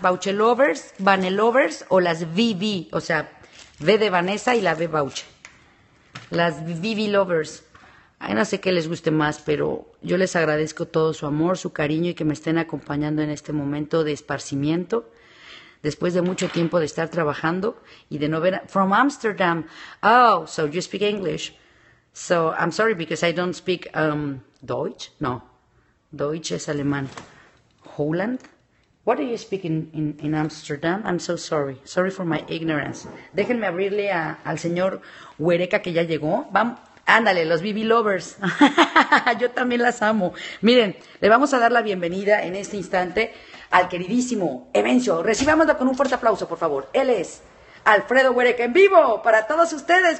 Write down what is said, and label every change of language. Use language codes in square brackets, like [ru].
[es] ¿Bauche Lovers, Vane Lovers o las Vivi? O sea, V de Vanessa y la V Bauche. Las Vivi Lovers. Ay, no sé qué les guste más, pero yo les agradezco todo su amor, su cariño y que me estén acompañando en este momento de esparcimiento, después de mucho tiempo de estar trabajando y de no ver. [en] From Amsterdam. Oh, so you speak English. So I'm sorry because I don't speak Deutsch. [es] No, Deutsch es alemán. [en] Holland. What do you speak in Amsterdam? I'm so sorry. Sorry for my ignorance. [es] Déjenme abrirle al señor Huereca que ya llegó. Vamos. Ándale, los BB Lovers. Yo también las amo. Miren, le vamos a dar la bienvenida en este instante al queridísimo Evencio. Recibámoslo con un fuerte aplauso, por favor. Él es Alfredo Huereca en vivo para todos ustedes,